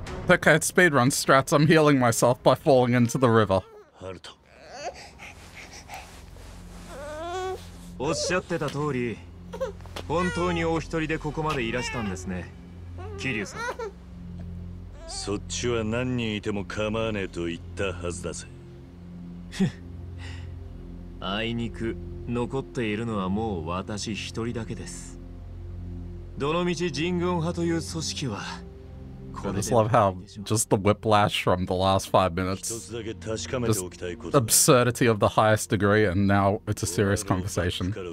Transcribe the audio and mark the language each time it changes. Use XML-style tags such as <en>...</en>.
<en>Okay, it's speedrun strats. I'm healing myself by falling into the river.</en> <ja>Haruto. おっしゃってた通り、 本当にお一人でここまでいらしたんですね、 キリュウさん。そっちは何人いても構わねえと言ったはずだぜ。あいにく残っているのはもう私一人だけです。どのみち人軍派という組織は、</ja> <en>I just love how just the whiplash from the last 5 minutes, just absurdity of the highest degree, and now it's a serious conversation.</en>